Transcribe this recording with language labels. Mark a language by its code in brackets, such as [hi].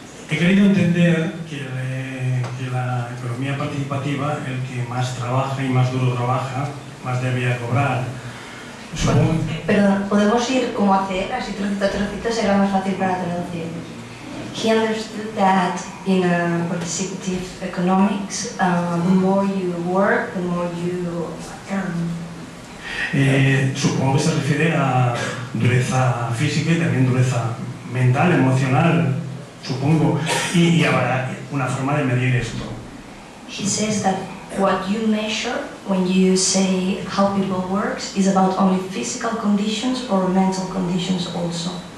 [es] He querido entender que la economía participativa, el que más trabaja y más duro trabaja, más debía cobrar. Perdón, podemos ir como hacer, así trocito a trocito será más fácil para traducir. [en] He understood that in a participative economics, the more you work, the more you earn. [es] Supongo que se refiere a dureza física y también dureza mental, emocional, supongo, y habrá una forma de medir esto. [en] He says that what you measure when you say how people work is about only physical conditions or mental conditions also.